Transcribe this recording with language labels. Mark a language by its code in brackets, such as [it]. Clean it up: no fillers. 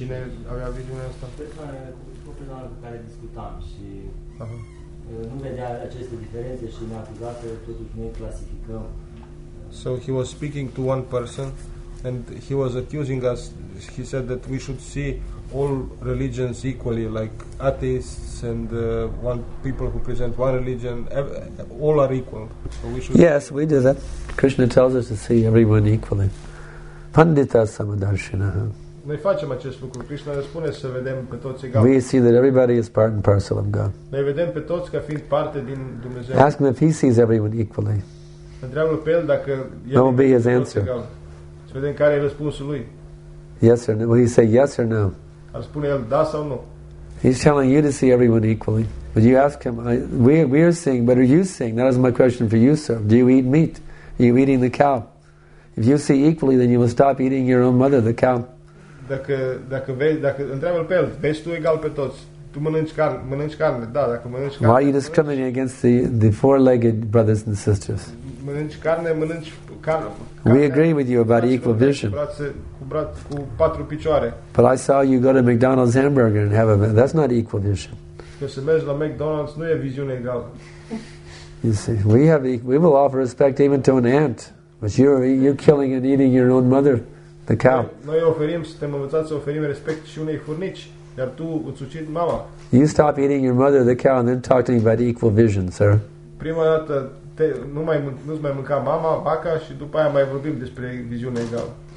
[ro] Cine avea viziunea asta? Persoanele cu care discutam și nu vedea aceste diferențe și ne-a acuzat că totuși noi clasificăm. [en] So he was speaking to one person and he was accusing us. He said that we should see all religions equally, like atheists and one people who present one religion, all are equal. So we should. Yes, we do that. Krishna tells us to see everyone equally. [sa] Pandita samadarshinaha. [ro] Noi facem acest lucru. Krishna ne spune să vedem pe toți egal. [en] We see that everybody is part and parcel of God. [ro] Noi vedem pe toți ca fiind parte din Dumnezeu. [en] Ask him if he sees everyone equally. [ro] Întreabă-l pe el dacă [en] that will be his answer. [ro] Să vedem care e răspunsul lui. [en] Yes or no? Will he say yes or no? [ro] Ar spune el da sau nu? [en] He's telling you to see everyone equally. But you ask him, we are seeing, but are you seeing? That is my question for you, sir. Do you eat meat? Are you eating the cow? If you see equally, then you will stop eating your own mother, the cow. [ro] Dacă întreabă-l pe el, vezi tu egal pe toți? Tu mănânci carne, da, dacă mănânci carne. [en] Why are you discriminating against the four-legged brothers and sisters? [ro] Mănânci carne, mănânci carne. [en] We agree with you about equal vision. [ro] Cu patru picioare. [en] But I saw you go to McDonald's hamburger and have a, that's not equal vision. [ro] Că să mergi la McDonald's nu e viziune egală. [en] You see, we will offer respect even to an ant, but you're killing and eating your own mother, the cow. [ro] Noi oferim, suntem învățați să oferim respect și unei furnici. Iar tu îți ucid mama. [en] You stop eating your mother, the cow, and then talk to me about equal vision, sir. [ro] Prima dată nu-ți mai mânca mama, vaca, și după aia mai vorbim despre viziune egală.